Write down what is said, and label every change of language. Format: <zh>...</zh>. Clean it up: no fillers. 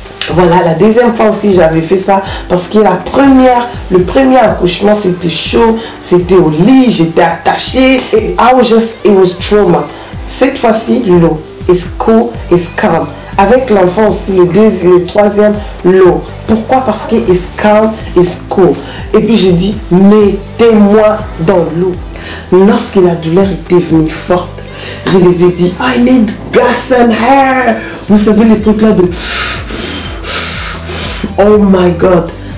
<fr>Voilà, la deuxième fois aussi j'avais fait ça parce que le premier accouchement c'était chaud, c'était au lit, j'étais attachée et</fr> <en>it was trauma.</en> <fr>Cette fois-ci, l'eau</fr> <en>is cool, is calm.</en> <fr>Avec l'enfant aussi, le deuxième, le troisième, l'eau. Pourquoi? Parce que</fr> <en>it's calm, it's cool.</en> <fr>Et puis j'ai dit, mettez-moi dans l'eau. Lorsque la douleur était venue forte, je les ai dit,</fr> <en>I need gas and hair.</en> <fr>Vous savez, les trucs là de...</fr> <en>Oh my God.</en>